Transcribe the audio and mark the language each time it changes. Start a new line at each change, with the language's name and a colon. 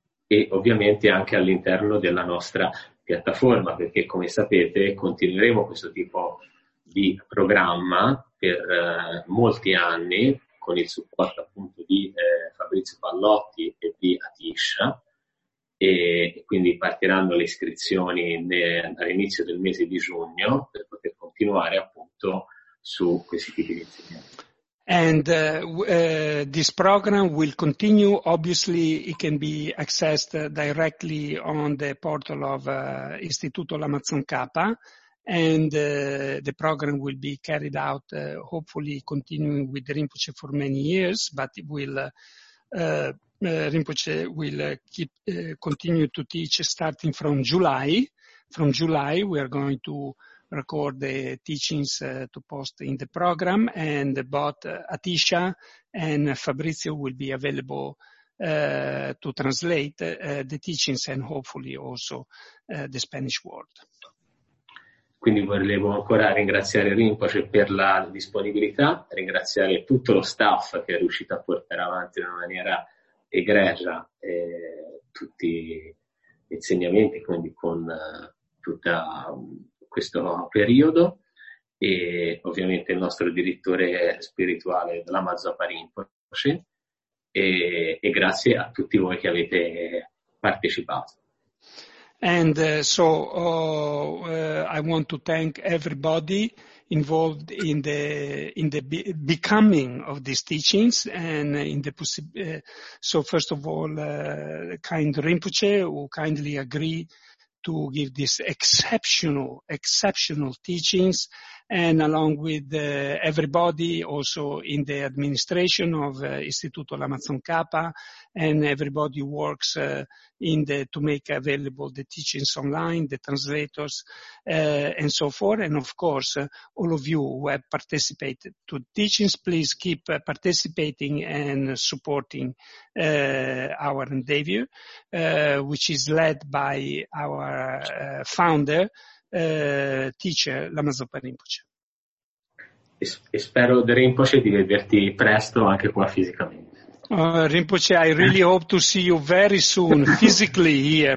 Italian: e ovviamente anche all'interno della nostra piattaforma, perché come sapete continueremo questo tipo di programma per molti anni con il supporto appunto di Fabrizio Pallotti e di Atisha, e quindi partiranno le iscrizioni all'inizio del mese di giugno per poter continuare appunto su questi tipi di insegnamenti.
English: And this program will continue. Obviously, it can be accessed directly on the portal of Istituto Lamazon Kappa, and the program will be carried out, hopefully continuing with Rinpoche for many years, but it will Rinpoche will keep continue to teach starting from July. From July, we are going to record the teachings to post in the program, and both Atisha and Fabrizio will be available to translate the teachings and hopefully also the Spanish word.
Italian: Quindi volevo ancora ringraziare Rinpoche per la disponibilità, ringraziare tutto lo staff che è riuscito a portare avanti in una maniera egregia tutti gli insegnamenti, quindi con tutta questo periodo, e ovviamente il nostro direttore spirituale della Mazzoppa Rinpoche, e grazie a tutti voi che avete partecipato.
English: And I want to thank everybody involved in the becoming of these teachings and in the first of all kind Rinpoche, who kindly agreed to give this exceptional teachings, and along with everybody also in the administration of Istituto Lamazon Kappa, and everybody who works to make available the teachings online, the translators and so forth, and of course all of you who have participated to teachings, please keep participating and supporting our endeavor, which is led by our founder, teacher Lamazoppa Rinpoche.
Italian: E spero, Rinpoche, di vederti presto anche qua fisicamente.
English: Rinpoche, I really hope to see you very soon physically here.